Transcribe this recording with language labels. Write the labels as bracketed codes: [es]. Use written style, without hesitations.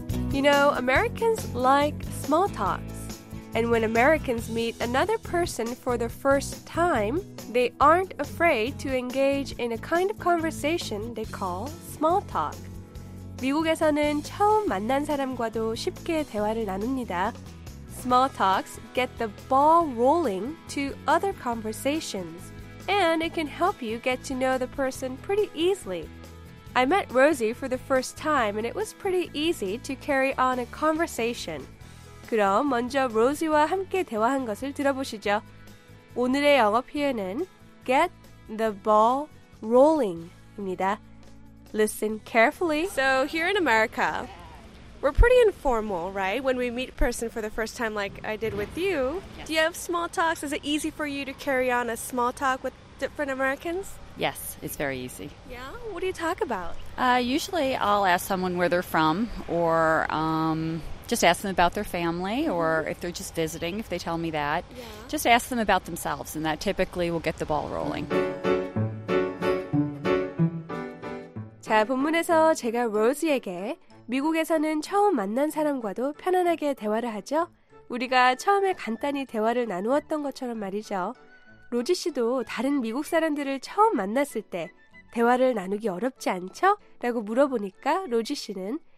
[en] You know, Americans like small talk. And when Americans meet another person for the first time, they aren't afraid to engage in a kind of conversation they call small talk. [ko] 미국에서는 처음 만난 사람과도 쉽게 대화를 나눕니다. [en] Small talks get the ball rolling to other conversations, and it can help you get to know the person pretty easily. I met Rosie for the first time, and it was pretty easy to carry on a conversation. [ko] 그럼 먼저 로지와 함께 대화한 것을 들어보시죠. 오늘의 영어 표현은 [en] get the ball rolling [ko] 입니다. [en] Listen carefully. So here in America, we're pretty informal, right? When we meet a person for the first time like I did with you. Yes. Do you have small talks? Is it easy for you to carry on a small talk with different Americans? Yes, it's very easy. Yeah? What do you talk about? Usually I'll ask someone where they're from or... Just ask them about their family or if they're just visiting, if they tell me that. Yeah. Just ask them about themselves and that typically will get the ball rolling. [ko] 자, 본문에서 제가 로즈에게 미국에서는 처음 만난 사람과도 편안하게 대화를 하죠. 우리가 처음에 간단히 대화를 나누었던 것처럼 말이죠. 로즈 씨도 다른 미국 사람들을 처음 만났을 때 대화를 나누기 어렵지 않죠? 라고 물어보니까 로즈 씨는